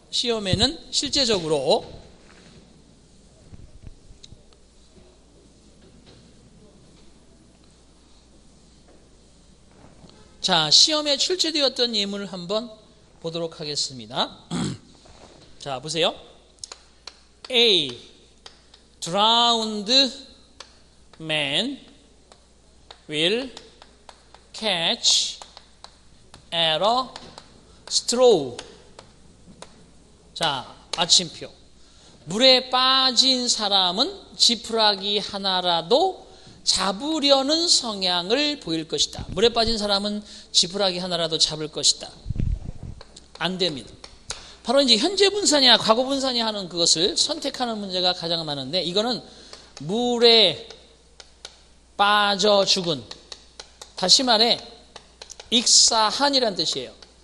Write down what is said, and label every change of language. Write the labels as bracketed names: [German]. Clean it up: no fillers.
[Korean] 시험에는 실제적으로 자, 시험에 출제되었던 예문을 한번 보도록 하겠습니다. 자, 보세요. [English] A drowned man will catch at a straw. [Korean] 자, 마침표. 물에 빠진 사람은 지푸라기 하나라도 잡으려는 성향을 보일 것이다. 물에 빠진 사람은 지푸라기 하나라도 잡을 것이다. 안 됩니다. 바로 이제 현재 분사냐 과거 분사냐 하는 그것을 선택하는 문제가 가장 많은데 이거는 물에 빠져 죽은 다시 말해 익사한이란 뜻이에요.